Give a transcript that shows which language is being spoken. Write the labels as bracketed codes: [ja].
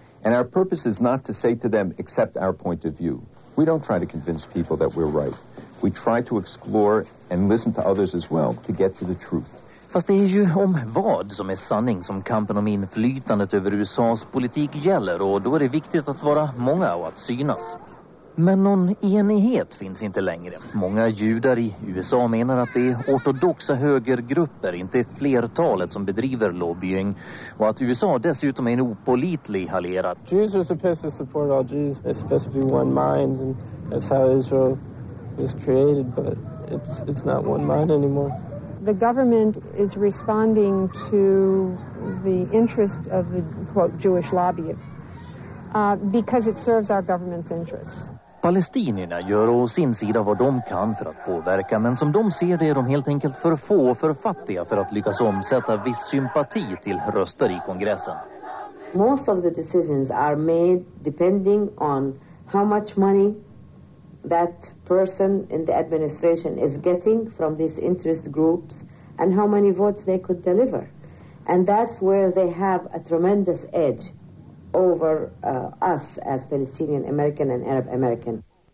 [en] And our purpose is not to say to them, accept our point of view. We don't try to convince people that we're right. We try to explore and listen to others as well to get to the truth. [sv] Fast det är ju om vad som är sanning som kampen om inflytandet över USAs politik gäller, och då är det viktigt att vara många och att synas. Men någon enighet finns inte längre. Många judar i USA menar att det är ortodoxa högergrupper, inte flertalet, som bedriver lobbying, och att USA dessutom är en opålitlig allierad. [en] Jews are supposed to support all Jews. It's supposed to be one mind, and that's how Israel was created, but it's not one mind anymore. the government is responding to the interest of the, quote, Jewish lobby because it serves our government's interests. [sv] Palestinierna gör å sin sida vad de kan för att påverka, men som de ser det är de helt enkelt för få och för fattiga för att lyckas omsätta viss sympati till röster i kongressen. [en] Most of the decisions are made depending on how much money that person in the administration is getting from these interest groups and how many votes they could deliver. And that's where they have a tremendous edge over us as Palestinian American and Arab American.